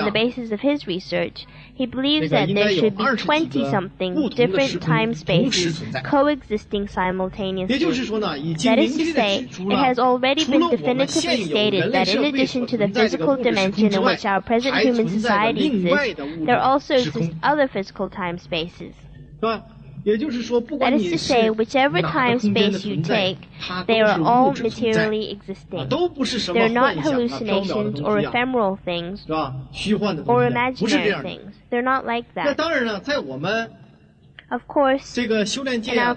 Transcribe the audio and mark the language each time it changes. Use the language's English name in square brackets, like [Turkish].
[English] on the basis of his research, he believes that there should be 20-something different time spaces coexisting simultaneously. [Chinese] 也就是说呢已经 [English] that is to say, it has already been definitively stated that in addition to the physical dimension in which our present human society exists, there also exist other physical time spaces. [Chinese] 是吧也就是说不管你是 [English] That is to say, whichever time space you take, they are all materially existing. [Chinese] 都不是什么幻 [English] They're not hallucinations or ephemeral things, [Chinese] 是吧虚幻的 [English] or imaginary things. They're not like that. [Chinese] 那当然了在我们 [English] Of course, [Chinese] 这个修炼界、啊、